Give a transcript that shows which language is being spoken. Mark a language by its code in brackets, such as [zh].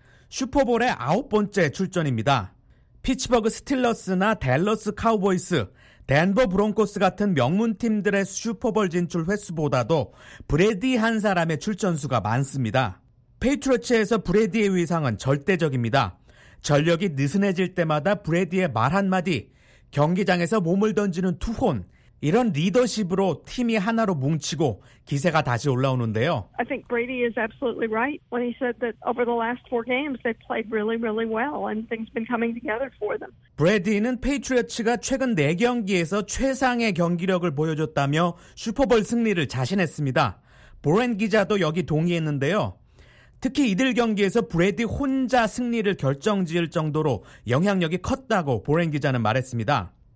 [ko] 슈퍼볼의 아홉 번째 출전입니다. 피츠버그 스틸러스나 댈러스 카우보이스, 덴버 브론코스 같은 명문팀들의 슈퍼볼 진출 횟수보다도 브래디 한 사람의 출전수가 많습니다. 페이트리어츠에서 브래디의 위상은 절대적입니다. 전력이 느슨해질 때마다 브래디의 말 한마디, 경기장에서 몸을 던지는 투혼, 이런 리더십으로 팀이 하나로 뭉치고 기세가 다시 올라오는데요. [en] I think Brady is absolutely right when he said that over the last four games they played really, really well and things been coming together for them. [ko] 브래디는 페이트리어츠가 최근 네 경기에서 최상의 경기력을 보여줬다며 슈퍼볼 승리를 자신했습니다. 보렌 기자도 여기 동의했는데요. 특히 이들 경기에서 브래디 혼자 승리를 결정지을 정도로 영향력이 컸다고 보렌 기자는 말했습니다.